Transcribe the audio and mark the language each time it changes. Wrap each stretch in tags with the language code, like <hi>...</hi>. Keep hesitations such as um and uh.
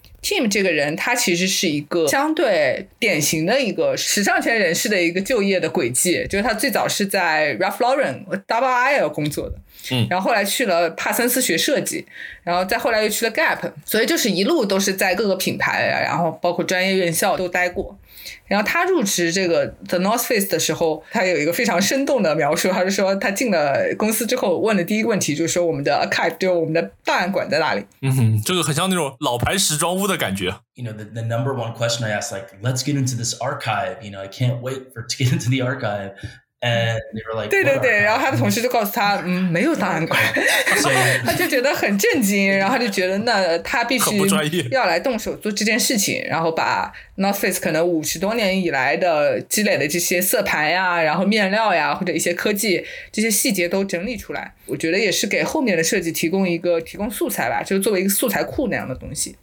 <zh>Team 这个人，他其实是一个相对典型的一个时尚圈人士的一个就业的轨迹，就是他最早是在 Ralph Lauren、Double I 工作的，嗯，然后后来去了帕森斯学设计，然后再后来又去了 Gap，所以就是一路都是在各个品牌，然后包括专业院校都待过。然后他入职这个 The North Face 的时候，他有一个非常生动的描述，他是说他进了公司之后问的第一个问题，就是说我们的 archive，就我们的档案馆在哪里。嗯，哼，这个很像那种老牌时装屋的感觉。</zh> <en>You know, the the number one question I asked, like, let's get into this archive. You know, I can't wait for to get into the archive.</en> <zh>嗯，</zh> <en>And they were like,</en> <zh>对对对，然后他的同事就告诉他， 嗯，没有档案馆， 他就觉得很震惊， 然后他就觉得那他必须要来动手做这件事情，然后把 North Face 可能五十多年以来的积累的这些色盘呀，然后面料呀，或者一些科技这些细节都整理出来，我觉得也是给后面的设计提供一个提供素材吧，就是作为一个素材库那样的东西。</zh>